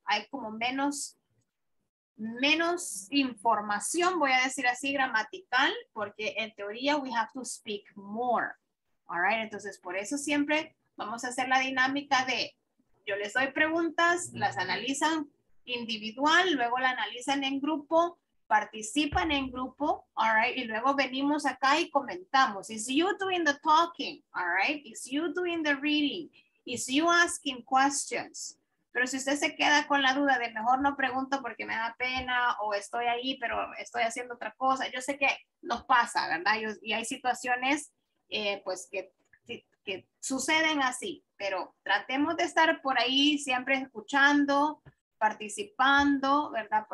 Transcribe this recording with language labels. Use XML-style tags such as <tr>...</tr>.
<es>Hay como menos información, voy a decir así, gramatical, porque en teoría</es> <en>we have to speak more.</en> <es>All right, entonces por eso siempre vamos a hacer la dinámica de, yo les doy preguntas, las analizan individual, luego la analizan en grupo, participan en grupo, all right, y luego venimos acá y comentamos.</es> <en>It's you doing the talking, all right, it's you doing the reading, it's you asking questions.</en> <es>Pero si usted se queda con la duda de mejor no pregunto porque me da pena o estoy ahí pero estoy haciendo otra cosa, yo sé que nos pasa, ¿verdad? Y hay situaciones pues que suceden así, pero tratemos de estar por ahí siempre escuchando, participando, ¿verdad?</es>